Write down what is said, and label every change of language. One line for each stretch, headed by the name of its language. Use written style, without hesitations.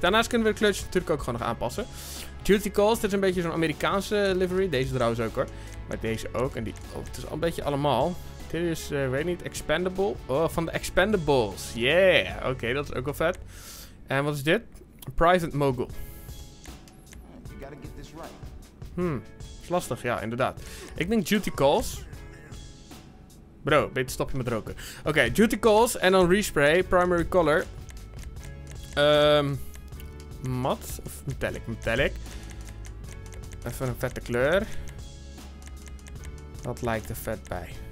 Dutch: Daarnaast kunnen we de clutch natuurlijk ook gewoon nog aanpassen. Duty calls, dit is een beetje zo'n Amerikaanse livery. Deze trouwens ook hoor. Maar deze ook. En die, oh, het is al een beetje allemaal. Dit is, weet niet, expendable. Oh, van de expendables. Yeah, oké, dat is ook wel vet. En wat is dit? Private mogul.
English: You gotta get this right.
Dutch: Is lastig, ja, inderdaad. Ik denk duty calls. Bro, beter stop je met roken. Oké, duty calls en dan respray, primary color. Mat of metallic? Metallic. Even een vette kleur. Dat lijkt er vet bij.